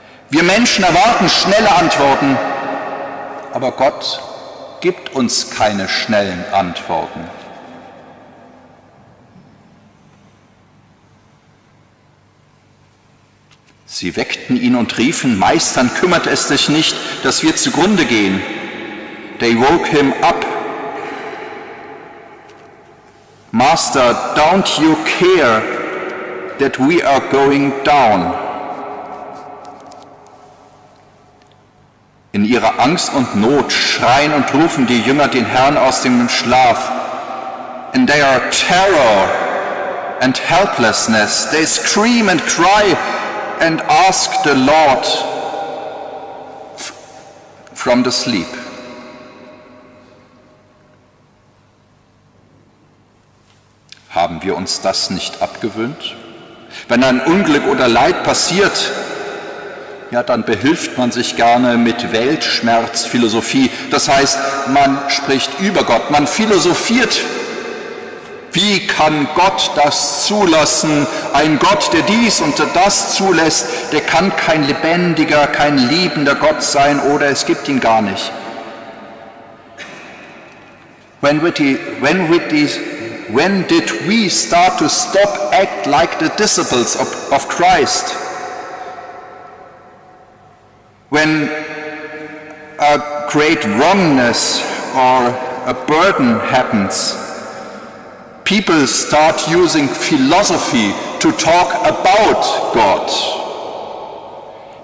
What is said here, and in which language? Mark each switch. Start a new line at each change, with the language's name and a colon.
German: Wir Menschen erwarten schnelle Antworten, aber Gott gibt uns keine schnellen Antworten. Sie weckten ihn und riefen: Meister, kümmert es dich nicht, dass wir zugrunde gehen?
English: They woke him up. Master, don't you care that we are going down?
German: In ihrer Angst und Not schreien und rufen die Jünger den Herrn aus dem Schlaf.
English: In their terror and helplessness, they scream and cry and ask the Lord from the sleep.
German: Haben wir uns das nicht abgewöhnt? Wenn ein Unglück oder Leid passiert, ja, dann behilft man sich gerne mit Weltschmerzphilosophie. Das heißt, man spricht über Gott, man philosophiert. Wie kann Gott das zulassen? Ein Gott, der dies und das zulässt, der kann kein lebendiger, kein liebender Gott sein, oder es gibt ihn gar nicht.
English: When did we start to stop act like the disciples of Christ? When a great wrongness or a burden happens, people start using philosophy to talk about God.